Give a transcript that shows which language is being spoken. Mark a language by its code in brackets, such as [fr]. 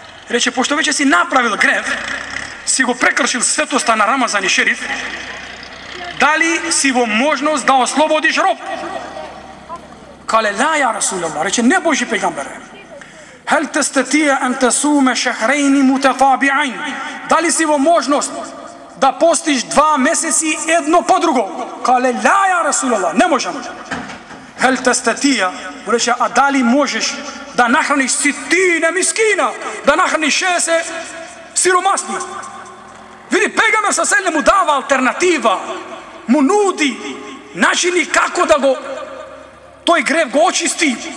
[mk] Рече, пошто вече си направил грев, си го прекршил светоста на Рамазан и шериф, дали си во можност да ослободиш роб? [ar] Кале, ла ја Расулаллах, [mk] рече, не Божи пегамбере. [ar] هل تستطيع أن تصوم شهرين متتابعين؟ [mk] дали си во можност да постиш два месеци едно по друго? [ar] قال لا يا رسول الله, [mk] не можам. [ar] هل تستطيع, [mk] рече, а дали можеш да нахраниш ситина мискина, да нахраниш 60 сиромасни? Види, пегаме со селе му дава алтернатива, му нуди начини како да го тој грев го очисти.